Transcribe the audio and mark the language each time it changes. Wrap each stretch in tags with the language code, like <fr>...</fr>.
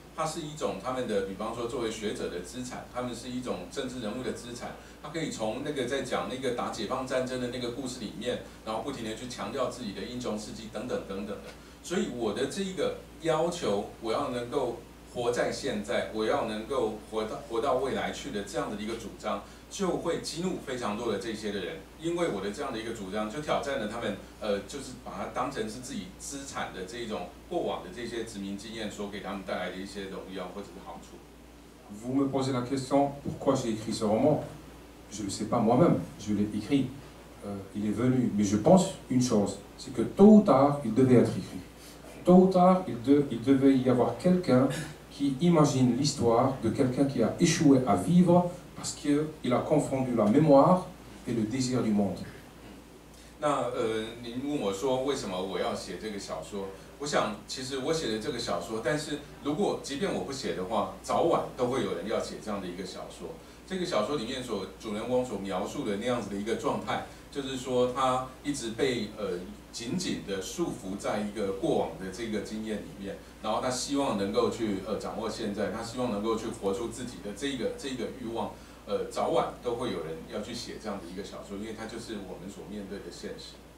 <zh>它是一种他们的，比方说作为学者的资产，他们是一种政治人物的资产，他可以从那个在讲那个打解放战争的那个故事里面，然后不停的去强调自己的英雄事迹等等等等的。所以我的这个要求，我要能够活在现在，我要能够活到未来去的这样的一个主张，就会激怒非常多的这些的人，因为我的这样的一个主张，就挑战了他们，就是把它当成是自己资产的这种。</zh> <fr>Vous me posez la question pourquoi j'ai écrit ce roman. Je ne le sais pas moi-même, je l'ai écrit. Il est venu, mais je pense une chose, c'est que tôt ou tard, il devait être écrit. Tôt ou tard, il devait y avoir quelqu'un qui imagine l'histoire de quelqu'un qui a échoué à vivre parce qu'il a confondu la mémoire et le désir du monde.</fr> <zh>那您问我说为什么我要写这个小说，我想其实我写的这个小说，但是如果即便我不写的话，早晚都会有人要写这样的一个小说。这个小说里面所主人公所描述的那样子的一个状态，就是说他一直被紧紧的束缚在一个过往的这个经验里面，然后他希望能够去掌握现在，他希望能够去活出自己的这个欲望，早晚都会有人要去写这样的一个小说，因为它就是我们所面对的现实。</zh>